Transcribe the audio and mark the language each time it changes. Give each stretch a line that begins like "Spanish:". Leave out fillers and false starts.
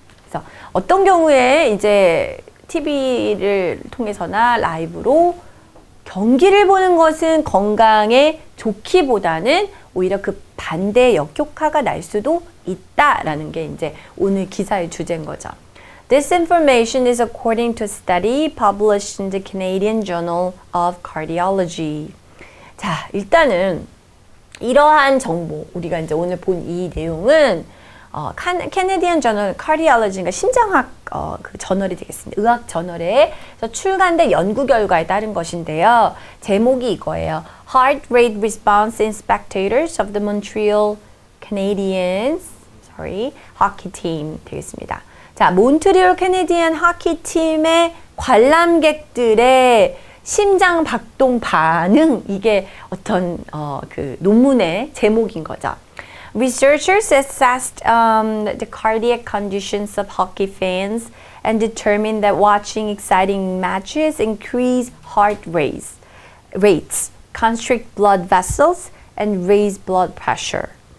Korean: 그래서 어떤 경우에 이제 TV를 통해서나 라이브로 경기를 보는 것은 건강에 좋기보다는 오히려 그 반대의 역효과가 날 수도 있다라는 게 이제 오늘 기사의 주제인 거죠.
English: This information is according to a study published in the Canadian Journal of Cardiology.
Korean: 자, 일단은 이러한 정보, 우리가 이제 오늘 본 이 내용은 Canadian Journal of Cardiology, 심장학 그 저널이 되겠습니다. 의학 저널에 출간된 연구 결과에 따른 것인데요. 제목이 이거예요.
English: Heart Rate Response in Spectators of the Montreal Canadiens Hockey Team
Korean: 되겠습니다. 자, 몬트리올 캐네디언 하키 팀의 관람객들의 심장 박동 반응, 이게 어떤 그 논문의 제목인 거죠.
English: Researchers assessed the cardiac conditions of hockey fans and determined that watching exciting matches increase heart rates, constrict blood vessels, and raise blood pressure.